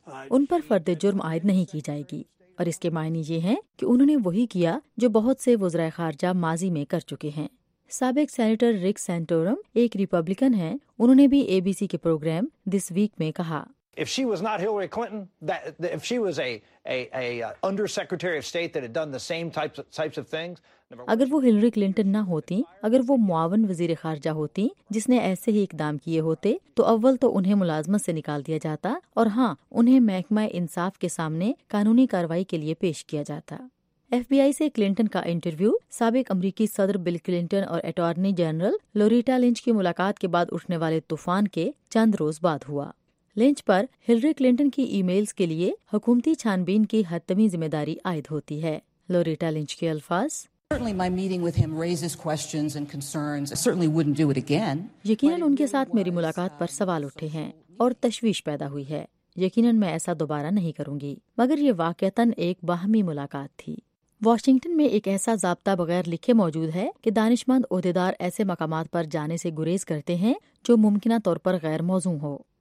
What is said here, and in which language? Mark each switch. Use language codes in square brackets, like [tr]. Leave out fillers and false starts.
[ur] ان پر فرد جرم عائد نہیں کی جائے گی، اور اس کے معنی یہ ہیں کہ انہوں نے وہی کیا جو بہت سے وزراء خارجہ ماضی میں کر چکے ہیں۔ سابق سینیٹر رک سینٹورم ایک ریپبلکن ہیں، انہوں نے بھی اے بی سی کے پروگرام دس ویک میں کہا، [en] If she was not Hillary Clinton, if she was a under secretary of state that had done the same types of things, [ur] اگر وہ ہلری کلنٹن نہ ہوتی، اگر وہ معاون وزیر خارجہ ہوتی جس نے ایسے ہی اقدام کیے ہوتے، تو اول تو انہیں ملازمت سے نکال دیا جاتا، اور ہاں انہیں محکمہ انصاف کے سامنے قانونی کاروائی کے لیے پیش کیا جاتا۔ ایف بی آئی سے کلنٹن کا انٹرویو سابق امریکی صدر بل کلنٹن اور اٹارنی جنرل لوریٹا لنچ کی ملاقات کے بعد اٹھنے والے طوفان کے چند روز بعد ہوا۔ لنچ پر ہلری کلنٹن کی ای میلز کے لیے حکومتی چھان بین کی حتمی ذمہ داری عائد ہوتی ہے۔ لوریٹا لنچ کے الفاظ، [en] Certainly my meeting with him raises questions and concerns. I certainly wouldn't do it again. [ur] یقیناً ان کے ساتھ میری ملاقات پر سوال اٹھے ہیں اور تشویش پیدا ہوئی ہے، یقیناً میں ایسا دوبارہ نہیں کروں گی، مگر یہ واقعتاً ایک باہمی ملاقات تھی۔ واشنگٹن میں ایک ایسا ضابطہ بغیر لکھے موجود ہے کہ دانشمند عہدیدار ایسے مقامات پر جانے سے گریز کرتے ہیں جو ممکنہ طور پر غیر موزوں ہو۔